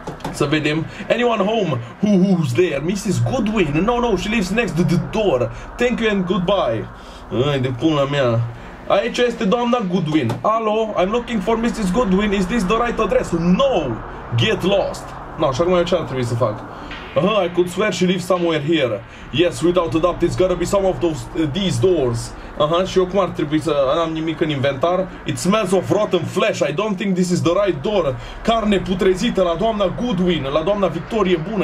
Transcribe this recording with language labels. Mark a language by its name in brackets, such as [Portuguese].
[Romanian] Să vedem. [English] Anyone home? Who's there? Mrs. Godwin? No, she lives next to the door. Thank you and goodbye. [Romanian] Ai, de pula mea. Aici este doamna Godwin. Alo, [English] I'm looking for Mrs. Godwin, is this the right address? No, get lost. [Romanian] No, și acum eu ce ar trebui să fac? [English] I could swear she lives somewhere here. Yes, without a doubt, it's gotta be some of those these doors. [Romanian] Și eu cum ar trebui să... N-am nimic în inventar. [English] It smells of rotten flesh. I don't think this is the right door. [Romanian] Carne putrezită la doamna Godwin, la doamna Victorie Bună.